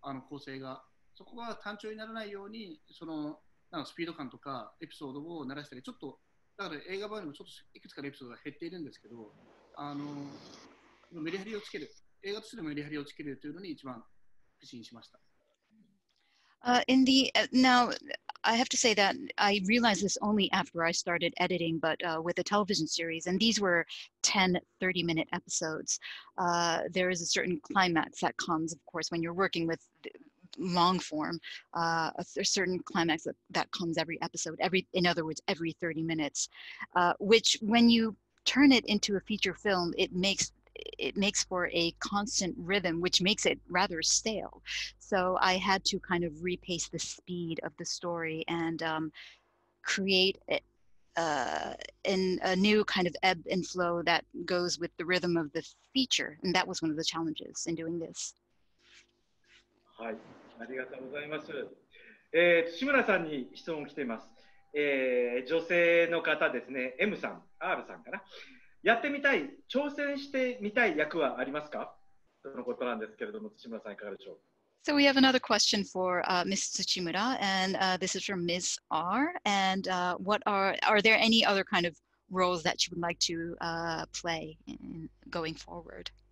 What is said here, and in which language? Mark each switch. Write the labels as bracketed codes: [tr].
[ja] 構成がそこが単調にならないように、そのなんかスピード感とかエピソードを鳴らしたり、ちょっとだから映画版にもちょっといくつかのエピソードが減っているんですけど、メリハリをつける、映画としてのメリハリをつけるというのに一番苦心しました。 [en] Now, I have to say that I realized this only after I started editing, but with a television series, and these were 10, 30-minute episodes, there is a certain climax that comes, of course, when you're working with... long form, a certain climax that comes every episode, in other words, every 30 minutes, which when you turn it into a feature film, it makes for a constant rhythm, which makes it rather stale. So I had to kind of repace the speed of the story and create a new kind of ebb and flow that goes with the rhythm of the feature. And that was one of the challenges in doing this. Hi. [ja] ありがとうございます。土村さんに質問来ています。女性の方ですね、M さん、R さんかな。やってみたい、挑戦してみたい役はありますか？とのことなんですけれども、土村さんいかがでしょう。 [en] So we have another question for Ms. Tsuchimura, and this is from Ms. R. And what are there any other kind of roles that you would like to play in going forward?